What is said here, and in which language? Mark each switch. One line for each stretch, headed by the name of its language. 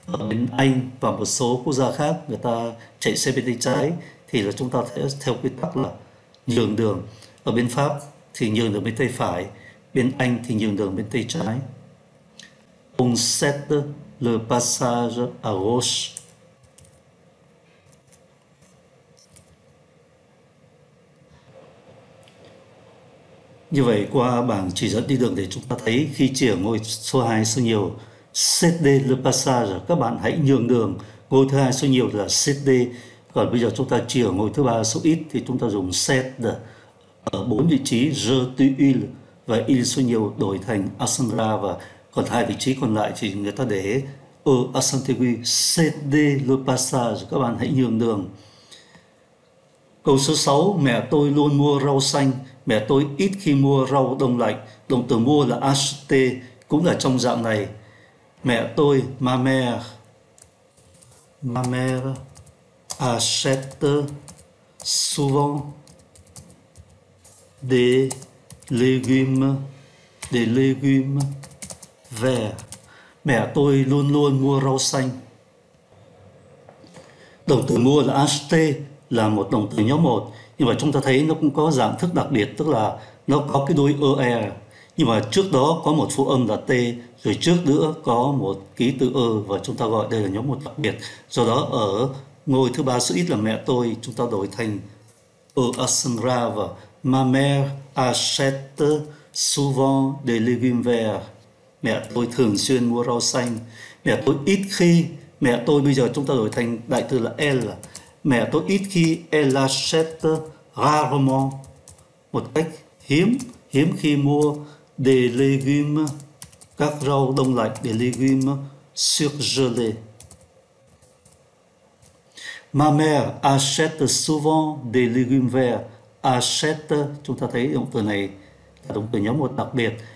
Vietnamese: Ở bên Anh và một số quốc gia khác, người ta chạy xe bên tay trái thì là chúng ta sẽ theo quy tắc là nhường đường. Ở bên Pháp thì nhường đường bên tay phải, bên Anh thì nhường đường bên tay trái.
French: On cède le passage à gauche.
Vietnamese: Như vậy qua bảng chỉ dẫn đi đường để chúng ta thấy khi chỉ ở ngôi số 2 số nhiều,
French: cede le passage,
Vietnamese: các bạn hãy nhường đường. Ngôi thứ hai số nhiều là cede. Còn bây giờ chúng ta chỉ ở ngôi thứ ba số ít thì chúng ta dùng cede. Ở bốn vị trí, je tu il và il số nhiều đổi thành accent grave, và còn hai vị trí còn lại thì người ta để ở accent aigu.
French: Cede le passage,
Vietnamese: các bạn hãy nhường đường. Câu số 6, mẹ tôi luôn mua rau xanh, mẹ tôi ít khi mua rau đông lạnh. Động từ mua là acheter, cũng là trong dạng này. Mẹ tôi,
French: ma mère achète souvent des légumes verts.
Vietnamese: Mẹ tôi luôn luôn mua rau xanh. Động từ mua là acheter, là một động từ nhóm một, nhưng mà chúng ta thấy nó cũng có dạng thức đặc biệt, tức là nó có cái đuôi ơ e, nhưng mà trước đó có một phụ âm là t, rồi trước nữa có một ký tự ơ, và chúng ta gọi đây là nhóm một đặc biệt. Do đó ở ngôi thứ ba số ít là mẹ tôi, chúng ta đổi thành ơ accent grave,
French: ma mère achète souvent des légumes verts.
Vietnamese: Mẹ tôi thường xuyên mua rau xanh. Mẹ tôi ít khi, mẹ tôi bây giờ chúng ta đổi thành đại từ là elle. Mẹ tôi ít khi,
French: elle achète rarement,
Vietnamese: một cách hiếm hiếm khi mua des légumes, các rau đông lạnh,
French: des légumes surgelés. Ma mère achète souvent des légumes verts.
Vietnamese: Achète, chúng ta thấy động từ này là động từ nhóm một đặc biệt.